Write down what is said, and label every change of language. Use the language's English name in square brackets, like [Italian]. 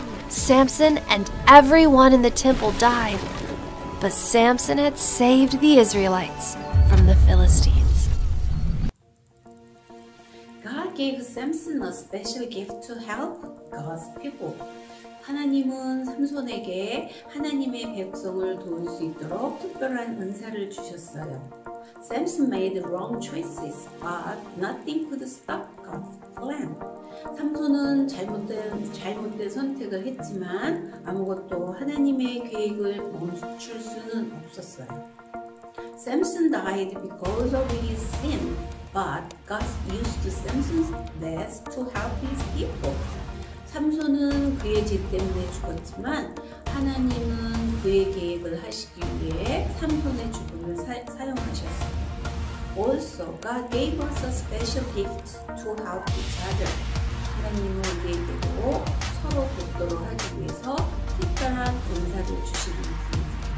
[English] Samson and everyone in the temple died, but Samson had saved the Israelites from the Philistines. Gave Samson a special gift to help God's people. [Korean] 하나님은 삼손에게 하나님의 백성을 도울 수 있도록 특별한 은사를 주셨어요. [English] Samson made wrong choices, but nothing could stop God's plan. [Korean] 삼손은 잘못된 선택을 했지만 아무것도 하나님의 계획을 멈출 수는 없었어요. [English] Samson died because of his sin. But God used Samson's death to help his people. [Korean] 삼손은 그의 죄 때문에 죽었지만 하나님은 그의 계획을 하시기 위해 삼손의 죽음을 사용하셨습니다. [English] also God gave us a special gift to help each other. [Korean] 하나님은 우리에게도 서로 돕도록 하기 위해서 특별한 은사를 주시기 바랍니다.